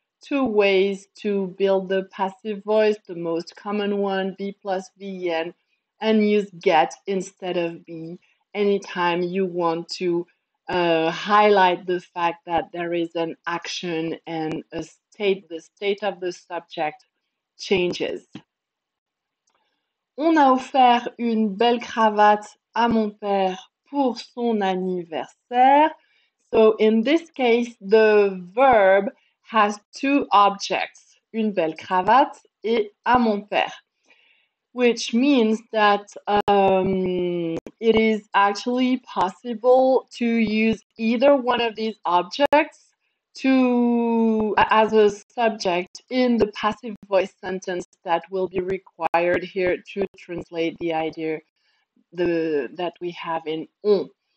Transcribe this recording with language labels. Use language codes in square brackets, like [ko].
[en] Two ways to build the passive voice, the most common one, B plus VEN, and use get instead of be anytime you want to highlight the fact that there is an action and a state. state, the state of the subject changes. [fr] On a offert une belle cravate à mon père pour son anniversaire. [en] So in this case, the verb has two objects, [fr] une belle cravate et à mon père, [en] which means that it is actually possible to use either one of these objects to as a subject in the passive voice sentence that will be required here to translate the idea that we have in on.